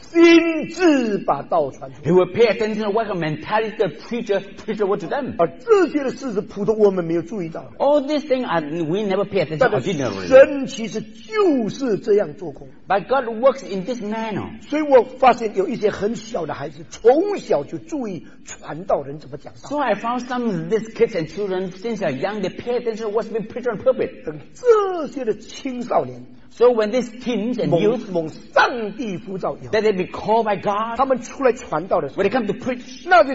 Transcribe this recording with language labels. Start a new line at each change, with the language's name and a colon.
Chinese: 他也会注意到讲道的人存怎样的心智把道传出
English: He will pay attention to what kind of mentality the preacher preached what to them
Chinese: 而这些的事是普通我们没有
English: All these things we never pay attention to ordinarily.
Chinese: 神其实就是这样做工。
English: But God works in this manner.
Chinese: 所以我发现有一些很小的孩子从小就注意传道人怎么讲道。
English: So I found some of these kids and children since they're young, they pay attention to what's been preached on purpose.
Chinese: 等这些的青少年。
English: So when these teens and youth
Chinese: 蒙上帝呼召以后,
English: that they be called by God
Chinese: 他们出来传道的时候,
English: when they come to preach